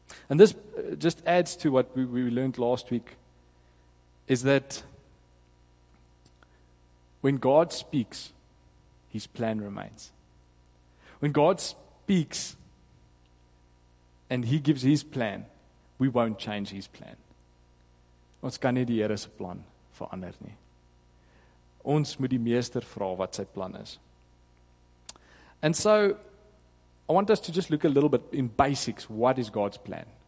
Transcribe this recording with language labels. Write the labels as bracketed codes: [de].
[en] And this just adds to what we learned last week, is that when God speaks, his plan remains. When God speaks and he gives his plan, we won't change his plan. [af] Ons kan nie die Here se plan verander nie. Ons moet die meester vra wat sy plan is. [en] And so, I want us to just look a little bit in basics, what is God's plan?